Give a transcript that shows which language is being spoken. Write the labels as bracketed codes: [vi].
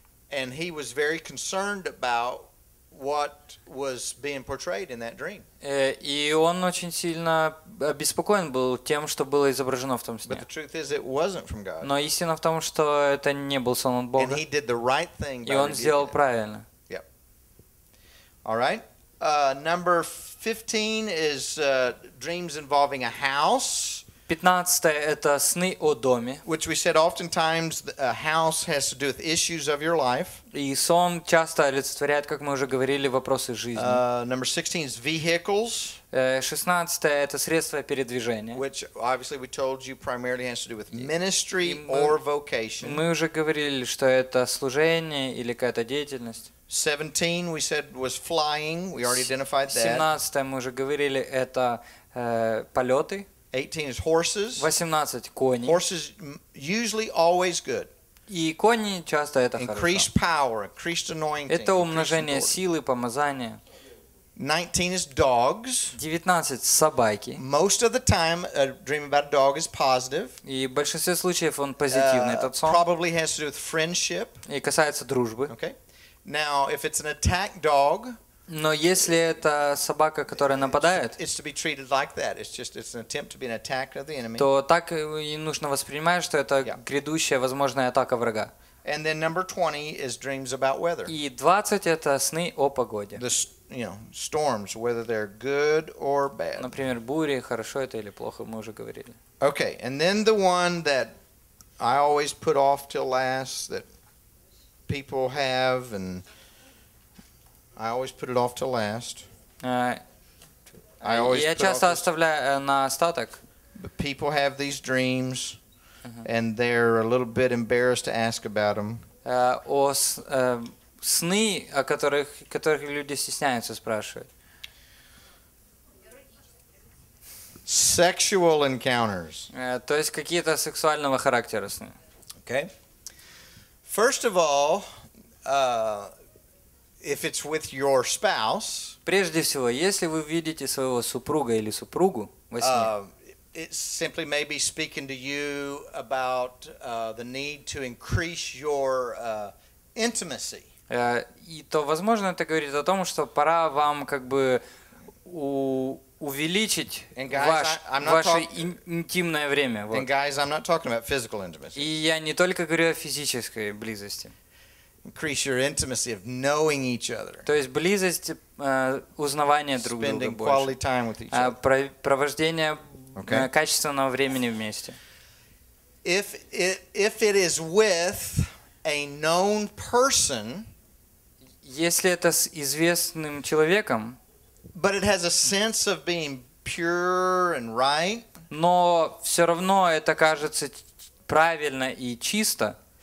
[en] And he was very concerned about what was being portrayed in that dream. [ru] И он очень сильно обеспокоен был тем, что было изображено в том сне. [en] But the truth is, it wasn't from God. [ru] Но истина в том, что это не был сон от Бога. [en] And he did the right thing. [ru] И он сделал правильно. [en] Yep. All right. Number 15 is dreams involving a house. [ru] 15-е это сны о доме. [en] Which we said oftentimes a house has to do with issues of your life. [ru] И сон часто олицетворяет, как мы уже говорили, вопросы жизни. [en] Number 16 is vehicles. [ru] 16-е это средства передвижения. [en] Which obviously we told you primarily has to do with ministry or vocation. [ru] Мы уже говорили, что это служение или какая-то деятельность. [en] 17 we said was flying. We already identified that. [ru] 17-е мы уже говорили это полёты. [en] 18 is horses. [ru] 18 кони. [en] Horses usually always good. [ru] И кони часто это хорошо. [en] Increased power, increased anointing. [ru] Это умножение силы, помазания. [en] 19 is dogs. [ru] 19 собаки. [en] Most of the time a dream about a dog is positive. [ru] И в большинстве случаев он позитивный этот сон. [en] Probably has to do with friendship. [ru] И касается дружбы. [en] Okay. Now if it's an attack dog, [ru] но если это собака, которая нападает, то так и нужно воспринимать, что это грядущая возможная атака врага. [en] And then number 20 is dreams about weather. [ru] И 20 это сны о погоде. [en] The, you know, storms, whether they're good or bad. [ru] Например, бури, хорошо это или плохо, мы уже говорили. [en] Okay, and then the one that I always put off till last that people have and I always put it off to last. [ru] Я часто оставляю на остаток. [en] But people have these dreams, and they're a little bit embarrassed to ask about them. [ru] Сны, о которых люди стесняются спрашивать. [en] Sexual encounters. [ru] То есть какие-то сексуального характера сны. [en] Okay. First of all, if it's with your spouse, [ru] прежде всего, если вы видите своего супруга или супругу во сне, [en] it simply may be speaking to you about the need to increase your intimacy. [ru] И то, возможно, это говорит о том, что пора вам как бы увеличить ваше интимное время. [en] And guys, I'm not talking about physical intimacy. [ru] И я не только говорю о физической близости. [en] Increase your intimacy of knowing each other. [ru] То есть близость узнавания друг друга больше. [en] Spending quality time with each other. [ru] Провождение качественного времени вместе. [en] If it is with a known person, [ru] если это с известным человеком, [en] but it has a sense of being pure and right, [ru] но все равно это кажется правильно и чисто.